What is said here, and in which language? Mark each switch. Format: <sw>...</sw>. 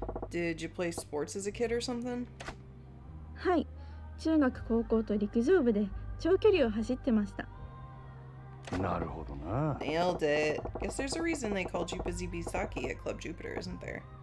<en>Did you play sports as a kid or something?</en> <ja>はい。中学高校と陸上部で長距離を走ってました。なるほどな。</ja> <en>Nailed it. Guess there's a reason they called you Busy Bisaki at Club Jupiter, isn't there?</en>